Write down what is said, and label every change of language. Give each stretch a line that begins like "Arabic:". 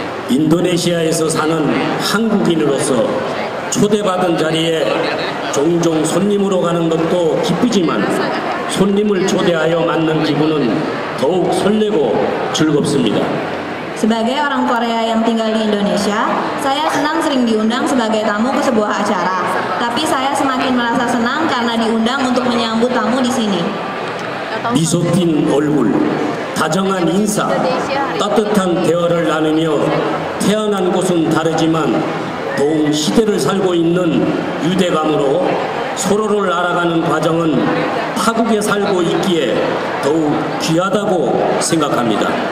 Korean: Indonesia에서 사는 한국인으로서 초대받은 자리에 종종 손님으로 가는 것도 기쁘지만 손님을 초대하여 맞는 기분은 더욱 설레고 즐겁습니다.
Indonesian: Sebagai orang Korea yang tinggal di Indonesia, saya senang sering diundang sebagai tamu ke sebuah acara. Tapi saya semakin merasa senang karena diundang untuk menyambut tamu di sini.
Korean: 미소띈 얼굴, 다정한 인사, 따뜻한 대화를 나누며 태어난 곳은 다르지만 동 시대를 살고 있는 유대감으로 서로를 알아가는 과정은 타국에 살고 있기에 더욱 귀하다고 생각합니다.